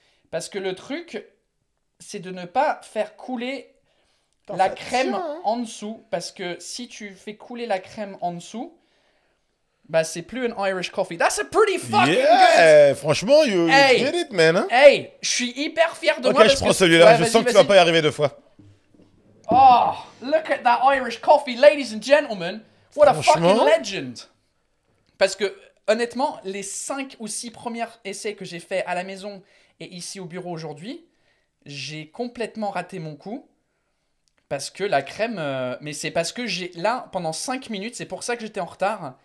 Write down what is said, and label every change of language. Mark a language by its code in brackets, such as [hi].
[fr] Parce que le truc, c'est de ne pas faire couler la crème en dessous. Parce que si tu fais couler la crème en dessous, bah c'est plus un Irish coffee. [en] That's a pretty fucking good. Franchement, you get it, man. Hein. [fr] Hey, je suis hyper fier de moi. Ok, je prends celui-là. Ouais, je sens que tu vas pas y arriver deux fois. [en] Oh, look at that Irish coffee, ladies and gentlemen. What a fucking legend. [fr] Parce que, honnêtement, les 5 ou 6 premiers essais que j'ai fait à la maison... Et ici au bureau aujourd'hui, j'ai complètement raté mon coup parce que la crème... Mais c'est parce que j'ai... Là, pendant 5 minutes, c'est pour ça que j'étais en retard.